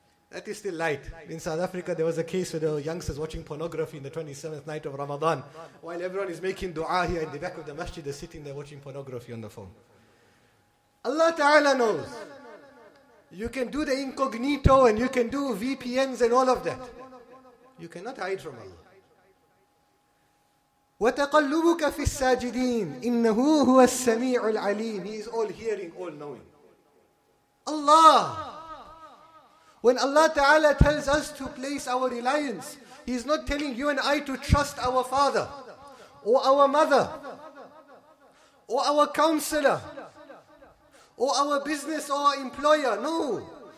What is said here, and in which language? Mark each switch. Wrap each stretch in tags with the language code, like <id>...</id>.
<en>That is still light. In South Africa, there was a case where the youngsters watching pornography in the 27th night of Ramadan. While everyone is making dua here in the back of the masjid, they're sitting there watching pornography on the phone. Allah Ta'ala knows. You can do the incognito and you can do VPNs and all of that. You cannot hide from Allah.</en> <ar>وتقلبك في الساجدين إنه هو السميع العليم.</ar> <en>He is all hearing, all knowing. Allah. When Allah Ta'ala tells us to place our reliance, He is not telling you and I to trust our father or our mother or our counselor or our business or our employer. No.</en>